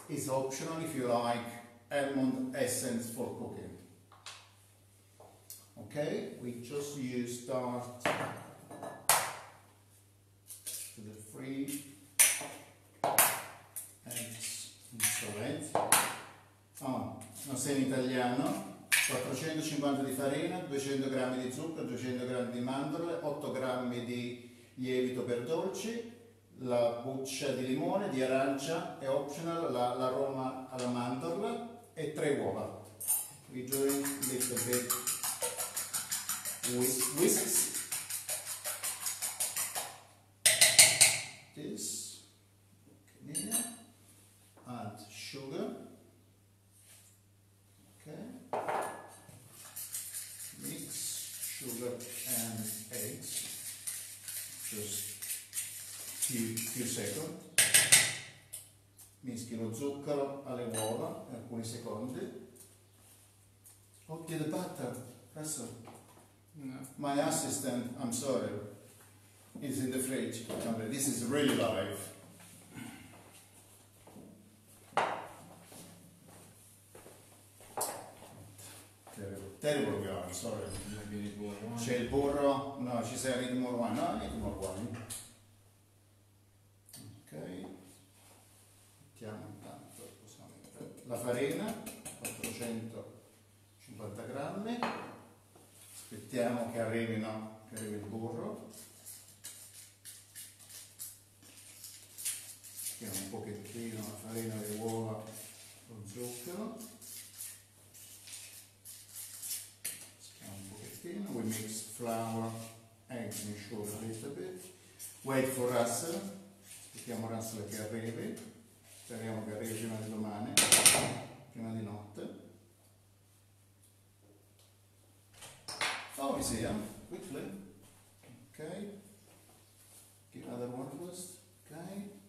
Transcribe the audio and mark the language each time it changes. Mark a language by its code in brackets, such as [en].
[en] It's optional if you like almond essence for cooking. Okay, we just use tart to the 3 eggs inside. [it] Oh, non sei in italiano. 450 di farina, 200 g di zucchero, 200 g di mandorle, 8 g di lievito per dolci, la buccia di limone, di arancia, è optional l'aroma alla mandorla, e 3 uova. [en] We join a little bit with whisks. This. Okay. Add sugar. Okay. Mix sugar and eggs. Just few seconds. [it] Mischi lo zucchero alle uova in alcuni secondi. [en] Oh, get the butter. That's all. No. My assistant, I'm sorry, is in the fridge. This is really live. Terrible we are, sorry. Maybe need more wine. [it] C'è il burro? [en] No, she said I need more wine. No, I need more wine. [it] Okay. Mettiamo intanto, possiamo mettere la farina, 450 grammi. Aspettiamo che arrivi, no? Che arrivi il burro. Mettiamo un pochettino la farina, le uova, lo zucchero. Mettiamo un pochettino. [en] We mix flour, eggs and sugar a little bit. Wait for Russell. [it] Aspettiamo Russell che arrivi. Speriamo che arrivi prima di domani, prima di notte. [en] Oh, we see him quickly. Okay. Give another one first. Okay.